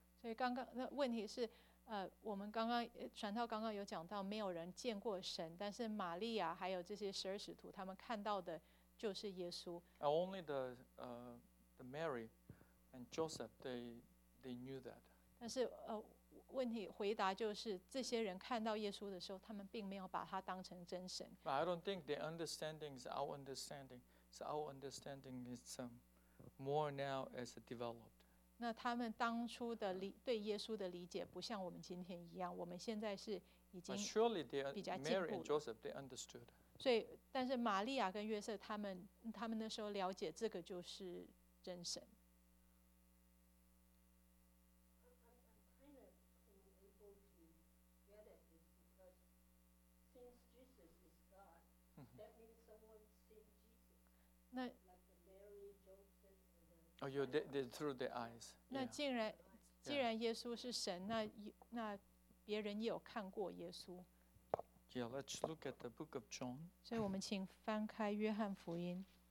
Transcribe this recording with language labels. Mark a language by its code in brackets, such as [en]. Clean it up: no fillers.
[en] So, [zh] 刚刚那问题是我们刚刚传道刚刚有讲到没有人见过神，但是玛利亚还有这些十二使徒他们看到的就是耶稣。 [en] Only the Mary and Joseph they knew that. [zh] 但是问题回答就是这些人看到耶稣的时候他们并没有把他当成真神。 [en] But I don't think the understanding is our understanding. So our understanding is more now as it developed. [zh] 那他们当初的对耶稣的理解不像我们今天一样，我们现在是已经比较进步了。 [en] But surely Mary and Joseph they understood. [zh] 所以，但是玛利亚跟约瑟他们那时候了解这个就是真神。那。 [en] Oh, you did through the eyes. [zh] 那既然耶稣是神，那别人也有看过耶稣。 [en] Yeah, let's look at the book of John. [zh] 所以我们请翻开约翰福音。